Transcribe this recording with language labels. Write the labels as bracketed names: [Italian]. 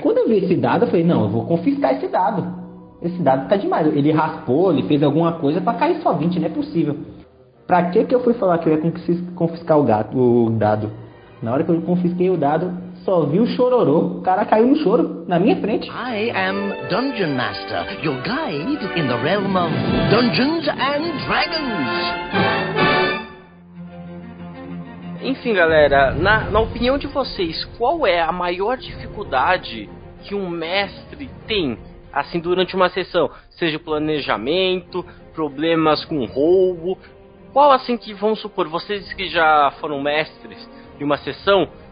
[Portuguese] Quando eu vi esse dado, eu falei, não, eu vou confiscar esse dado. Esse dado tá demais. Ele raspou, ele fez alguma coisa pra cair só 20, não é possível. Pra que eu fui falar que eu ia confiscar o dado? Na hora que eu confisquei o dado... Só vi o chororô, o cara caiu no choro, na minha frente. [English] I am Dungeon Master, your guide in the realm of Dungeons and Dragons. [Portuguese] Enfim, galera, na opinião de vocês, qual é a maior dificuldade que um mestre tem, assim, durante uma sessão? Seja planejamento, problemas com roubo, qual, assim, que, vamos supor, vocês que já foram mestres de uma sessão...